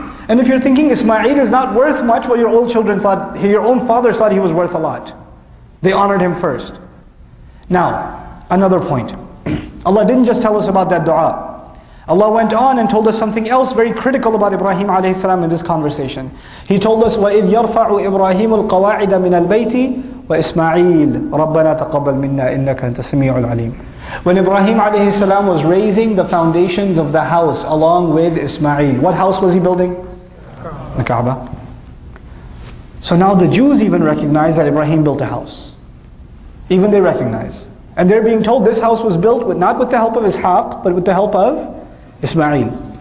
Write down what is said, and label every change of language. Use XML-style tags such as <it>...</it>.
<en>And if you're thinking Ismail is not worth much, well, your old children thought, your own fathers thought he was worth a lot. They honored him first. Now, another point. Allah didn't just tell us about that dua. Allah went on and told us something else very critical about Ibrahim alayhi salam in this conversation. He told us,</en> <ar>وَإِذْ يَرْفَعُ إِبْرَاهِيمُ الْقَوَاعِدَ مِنَ الْبَيْتِ وَإِسْمَعِيلُ رَبَّنَا تَقَبَّلْ مِنَّا إِنَّكَ أَنْتَ السَّمِيعُ الْعَلِيمُ.</ar> <en>When Ibrahim alayhi salam was raising the foundations of the house along with Ismail, what house was he building? The Kaaba. So now the Jews even recognize that Ibrahim built a house. Even they recognize. And they're being told this house was built with, not with the help of Ishaq, but with the help of Ismail.</en>